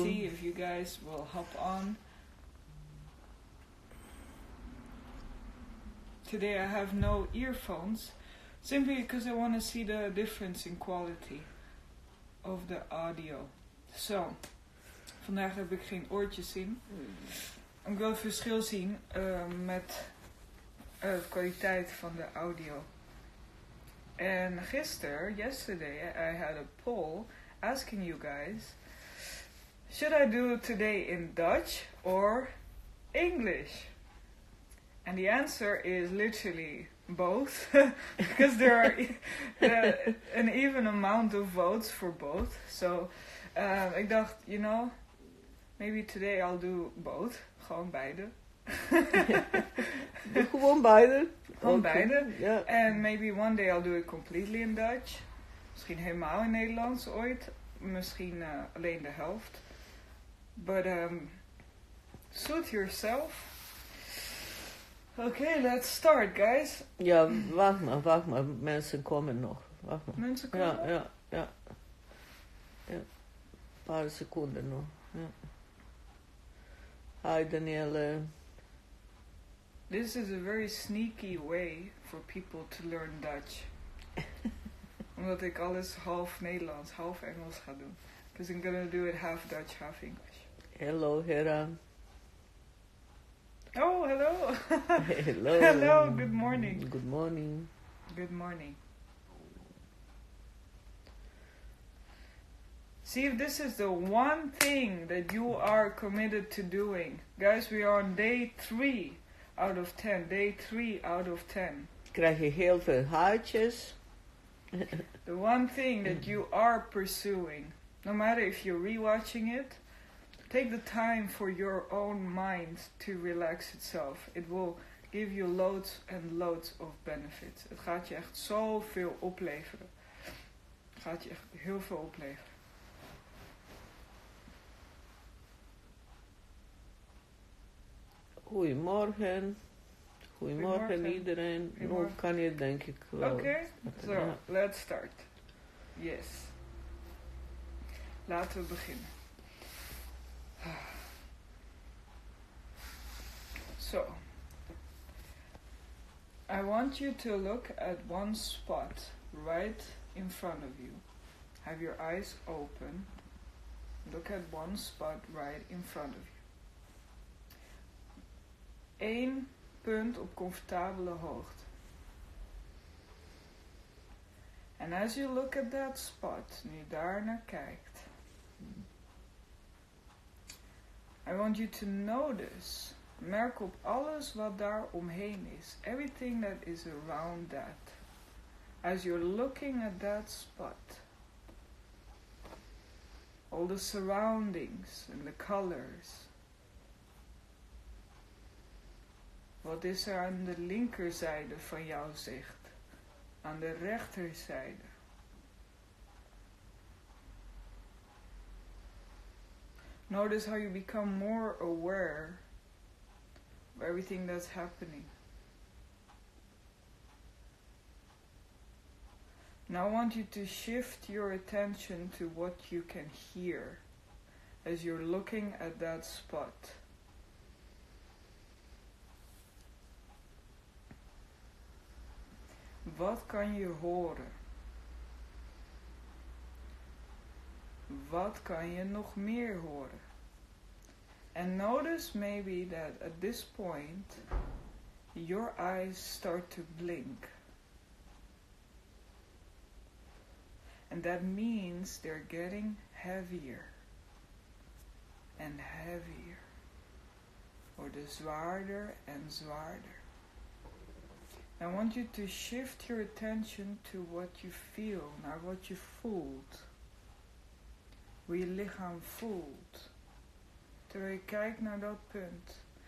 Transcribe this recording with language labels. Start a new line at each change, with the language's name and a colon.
English: Let's see if you guys will hop on. Today I have no earphones, simply because I want to see the difference in quality of the audio.
Dutch: So, vandaag heb ik geen oortjes in. Een groot verschil zien met de kwaliteit van de audio.
English: And yesterday, I had a poll asking you guys, should I do today in Dutch or English? And the answer is literally both, because there are an even amount of votes for both. So,
Dutch: ik dacht,
English: you know, maybe today I'll do both,
Dutch: gewoon beide. Gewoon beide. Gewoon beide.
English: Yeah. And maybe one day I'll do it completely in Dutch.
Dutch: Misschien helemaal in Nederlands ooit. Misschien alleen de helft.
English: But suit yourself. Okay, let's start, guys.
Dutch: Ja, wacht maar. Mensen komen nog. Wacht maar. Mensen komen nog? Ja. Een paar seconden nog. Ja.
English: Hi, Danielle. This is a very sneaky way for people to learn Dutch.
Dutch: Omdat ik alles half Nederlands, half Engels ga doen.
English: Because I'm gonna do it half Dutch, half English. Hello, Hera. Oh, hello. Hello. Hello, good morning. Good morning. Good morning. See if this is the one thing that you are committed to doing. Guys, we are on day 3. Out of 10. Day 3 out of 10.
Dutch: Krijg je heel veel haartjes.
English: The one thing that you are pursuing. No matter if you're rewatching it. Take the time for your own mind to relax itself. It will give you loads and loads of benefits.
Dutch: Het gaat je echt zoveel opleveren. Het gaat je echt heel veel opleveren. Goedemorgen. Goedemorgen iedereen. Hoe kan je denk ik wel.
English: Oké, okay. So, let's start. Yes.
Dutch: Laten we beginnen.
English: So. I want you to look at one spot right in front of you. Have your eyes open. Look at one spot right in front of you.
Dutch: Eén punt op comfortabele hoogte.
English: And as you look at that spot,
Dutch: nu je daar naar kijkt,
English: I want you to notice,
Dutch: merk op alles wat daar omheen is,
English: everything that is around that. As you're looking at that spot, all the surroundings and the colors.
Dutch: Wat is er aan de linkerzijde van jouw zicht? Aan de rechterzijde?
English: Notice how you become more aware of everything that's happening. Now I want you to shift your attention to what you can hear as you're looking at that spot. Wat kan je horen? Wat kan je nog meer horen? And notice maybe that at this point your eyes start to blink. And that means they're getting heavier and heavier.
Dutch: Worden zwaarder en zwaarder.
English: I want you to shift your attention to what you feel, naar what you voelt.
Dutch: Hoe je lichaam voelt. Terwijl je kijkt naar dat punt.